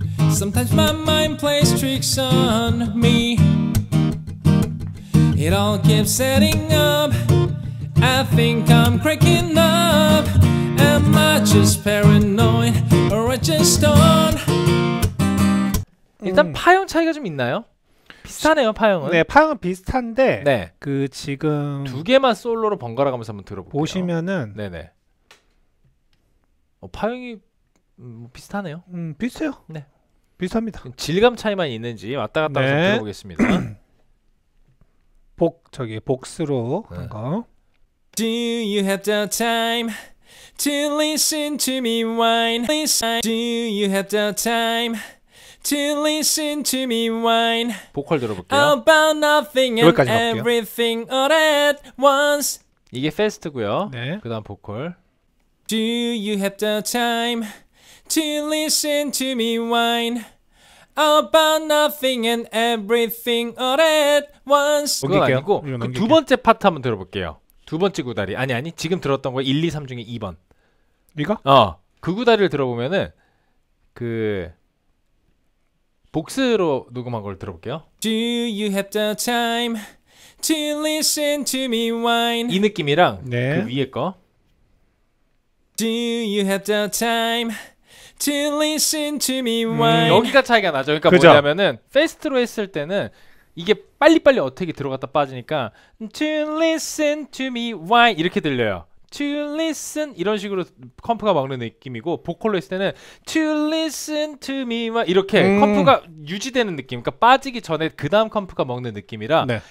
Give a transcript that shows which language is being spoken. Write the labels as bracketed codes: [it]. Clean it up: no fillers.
[en] Sometimes my mind plays tricks on me. It all keeps setting up. I think I'm cracking up. Am I just paranoid or I just don't? [ko] 일단 파형 차이가 좀 있나요? 비슷하네요 파형은. 네 파형은 비슷한데 네. 그 지금 두 개만 솔로로 번갈아 가면서 한번 들어볼게요. 보시면은 네네 파형이 비슷하네요. 비슷해요. 네 비슷합니다. 질감 차이만 있는지 왔다 갔다 네. 한번 들어보겠습니다. 저기 복스로 한 거. [en] Do you have the time to listen to me whine? Do you have the time to listen to me whine? [ko] 보컬 들어볼게요. [en] About nothing and [ko] 여기까지 갈게요. [en] Everything all at once. [ko] 이게 패스트고요. 네. 그다음 보컬. [en] Do you have the time to listen to me whine? about nothing and everything all at once. [ko] 그건 아니고 넘길게요. 그 두 번째 파트 한번 들어볼게요. 두 번째 구다리. 아니 아니 지금 들었던 거 1, 2, 3 중에 2번. 이거? 어. 그 구다리를 들어보면은 그 복스로 녹음한 걸 들어볼게요. [en] Do you have the time to listen to me whine? [ko] 이 느낌이랑 네. 그 위에 거. [en] Do you have the time to listen to me whine? [ko] 여기가 차이가 나죠. 그러니까 그죠? 뭐냐면은 페스트로 했을 때는 이게 빨리빨리 어택이 들어갔다 빠지니까 [en] to listen to me whine [ko] 이렇게 들려요. To listen 이런 식으로 컴프가 막는 느낌이고 보컬로 했을 때는 [en] To listen to me [ko] 막 이렇게 컴프가 유지되는 느낌 그러니까 빠지기 전에 그 다음 컴프가 먹는 느낌이라 네.